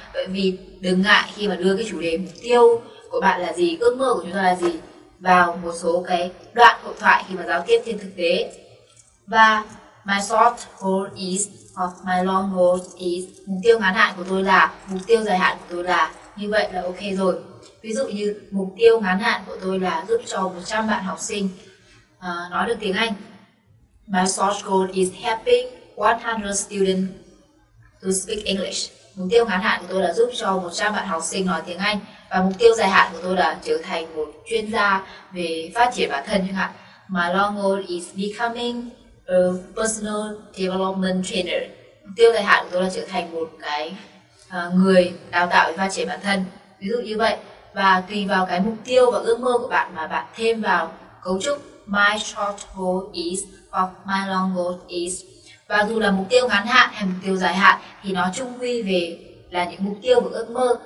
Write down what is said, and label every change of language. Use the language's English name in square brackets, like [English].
[Vietnamese] Bởi vì đừng ngại khi mà đưa cái chủ đề mục tiêu của bạn là gì, ước mơ của chúng ta là gì vào một số cái đoạn hội thoại khi mà giao tiếp trên thực tế. Và [English] my short goal is, [Vietnamese] hoặc [English] my long goal is, [Vietnamese] mục tiêu ngắn hạn của tôi là, mục tiêu dài hạn của tôi là, như vậy là ok rồi. Ví dụ như mục tiêu ngắn hạn của tôi là giúp cho 100 bạn học sinh nói được tiếng Anh. [English] My short goal is helping 100 students to speak English. [Vietnamese] Mục tiêu ngắn hạn của tôi là giúp cho 100 bạn học sinh nói tiếng Anh. Và mục tiêu dài hạn của tôi là trở thành một chuyên gia về phát triển bản thân chẳng hạn. [English] My long goal is becoming a personal development trainer. [Vietnamese] Mục tiêu dài hạn của tôi là trở thành một cái người đào tạo về phát triển bản thân. Ví dụ như vậy. Và tùy vào cái mục tiêu và ước mơ của bạn mà bạn thêm vào cấu trúc [English] my short goal is [Vietnamese] hoặc [English] my long goal is. [Vietnamese] Và dù là mục tiêu ngắn hạn hay mục tiêu dài hạn thì nó chung quy về là những mục tiêu và ước mơ.